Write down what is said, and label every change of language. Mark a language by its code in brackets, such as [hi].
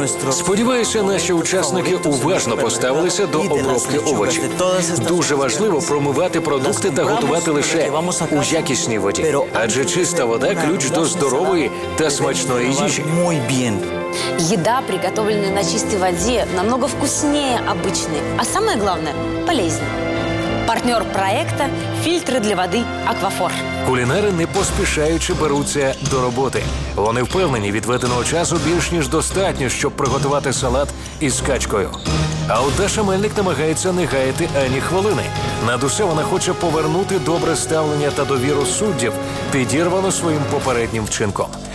[uk] Сподіваюся, наші учасники уважно поставилися до обробки овочів. Дуже важливо промивати продукти та готувати лише у якісній воді. Адже чиста вода – ключ до здорової та смачної їжі. [ru] Еда, приготовленная на чистой воде, намного вкуснее обычной. А самое главное – полезнее. Партнер проекта – фильтры для воды «Аквафор». [uk] Кулінари не поспішаючи беруться до роботи. Вони впевнені, відведеного часу більш ніж достатньо, щоб приготувати салат із качкою. А Даша Мельник намагається не гаяти ані хвилини. Над усе вона хоче повернути добре ставлення та довіру суддів, підірвану своїм попереднім вчинком.